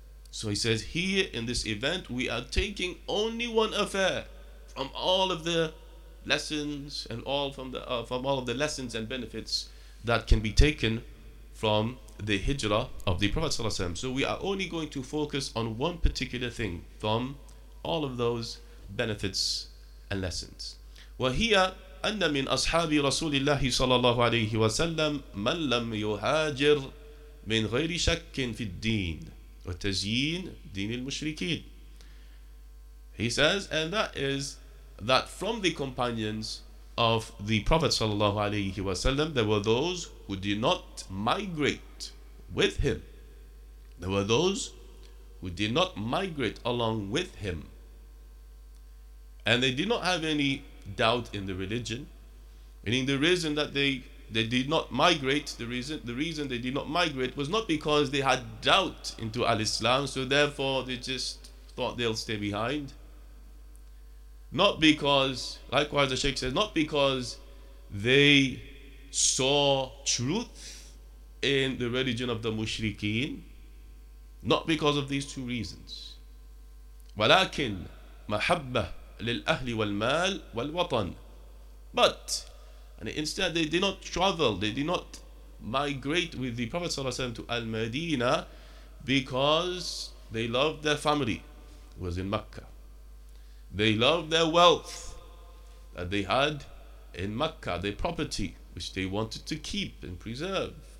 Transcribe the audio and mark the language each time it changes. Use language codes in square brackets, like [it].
[en] So he says here in this event we are taking only one affair from all of the lessons and all from the from all of the lessons and benefits that can be taken from the Hijrah of the Prophet Sallallahu Alaihi Wasallam. So we are only going to focus on one particular thing from all of those benefits and lessons. [ar] وهي أن من أصحاب رسول الله صلى الله عليه وسلم من لم يهاجر من غير شك في الدين وتزيين دين المشركين. [en] He says, and that is that from the companions of the Prophet صلى الله عليه وسلم, there were those who did not migrate with him. There were those who did not migrate along with him. And they did not have any doubt in the religion, meaning the reason that they did not migrate, the reason they did not migrate was not because they had doubt into Al-Islam, so therefore they just thought they'll stay behind. Not because, likewise the Sheikh says, not because they saw truth in the religion of the Mushrikeen, not because of these two reasons. [ar] ولكن محبة للأهل والمال والوطن. [en] But and instead they did not travel, they did not migrate with the Prophet ﷺ to Al-Madinah because they loved their family, who was in Mecca. They loved their wealth that they had in Mecca, their property, which they wanted to keep and preserve.